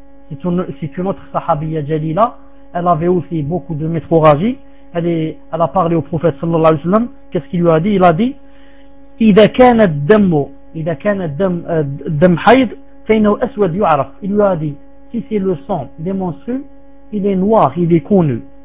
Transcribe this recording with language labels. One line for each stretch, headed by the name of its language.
French: C'est une autre sahabiya Jalila. Elle avait aussi beaucoup de métrorragie. Elle a parlé au prophète sallallahu alayhi wa sallam. Qu'est-ce qu'il lui a dit? Il a dit,
Arabic: إذا كان الدم إذا كان الدم حيض فإنه أسود يعرف.
French: Il lui a dit, si c'est le sang des menstrues, il est noir, il est connu.